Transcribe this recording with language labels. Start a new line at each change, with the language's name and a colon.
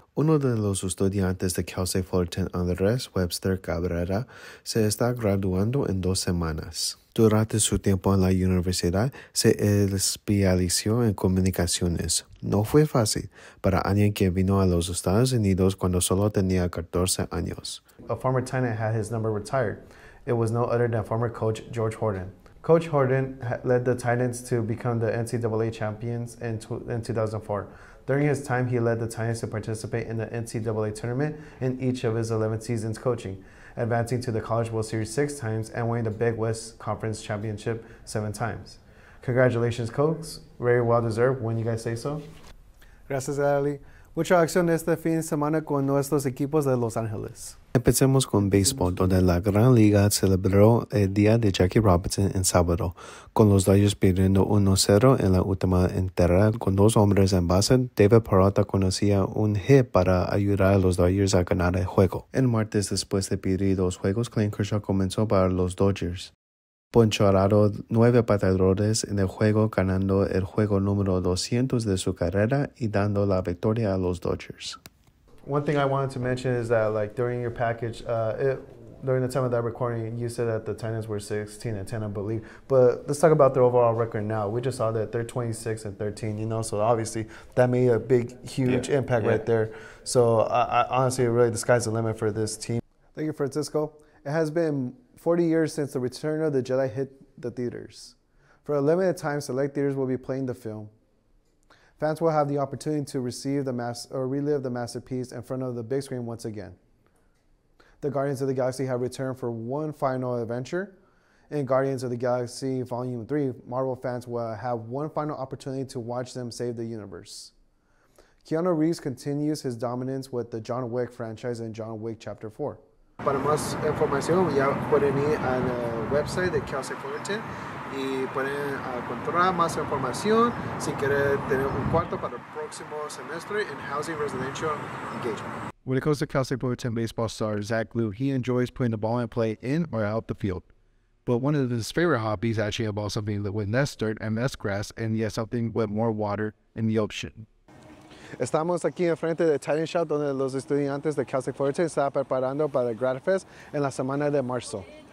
Spanish: Uno de los estudiantes de Cal State Fullerton Andrés Webster Cabrera se está graduando en dos semanas. Durante su tiempo en la universidad, se especializó en comunicaciones. No fue fácil para alguien que vino a los Estados Unidos cuando solo tenía 14 años.
English: A former tenant had his number retired. It was no other than former coach George Horton. Coach Horton led the Titans to become the NCAA champions in 2004. During his time, he led the Titans to participate in the NCAA tournament in each of his 11 seasons coaching, advancing to the College Bowl Series 6 times and winning the Big West Conference Championship 7 times. Congratulations, Coach. Very well deserved, when you guys say so.
Spanish: Gracias, Ali. Mucha acción este fin de semana con nuestros equipos de Los Ángeles. Empecemos con béisbol, donde la Gran Liga celebró el día de Jackie Robinson en sábado, con los Dodgers perdiendo 1-0 en la última entrada con dos hombres en base. David Peralta conocía un hit para ayudar a los Dodgers a ganar el juego. El martes, después de perder dos juegos, Clayton Kershaw comenzó para los Dodgers, poncharado 9 bateadores en el juego, ganando el juego número 200 de su carrera y dando la victoria a los Dodgers.
English: One thing I wanted to mention is that, like, during your package, during the time of that recording, you said that the Titans were 16-10, I believe. But let's talk about their overall record now. We just saw that they're 26-13, you know, so obviously that made a big, huge impact right there. So, honestly, really, the sky's the limit for this team. Thank you, Francisco. It has been 40 years since the return of the Jedi hit the theaters. For a limited time, select theaters will be playing the film. Fans will have the opportunity to relive the masterpiece in front of the big screen once again. The Guardians of the Galaxy have returned for one final adventure. In Guardians of the Galaxy Volume 3, Marvel fans will have one final opportunity to watch them save the universe. Keanu Reeves continues his dominance with the John Wick franchise in John Wick Chapter 4.
Spanish: Para más información, ya pueden ir a la website de Cal State Fullerton y pueden encontrar más información si quieren tener un cuarto para el próximo semestre en Housing Residential Engagement.
English: When it comes to Cal State Fullerton baseball star Zach Liu, he enjoys putting the ball in play in or out the field. But one of his favorite hobbies actually involves something that with less dirt and less grass, and yes, something with more water in the ocean.
Spanish: Estamos aquí enfrente de Titan Shop, donde los estudiantes de Cal State Fullerton están preparando para el Grad Fest en la semana de marzo.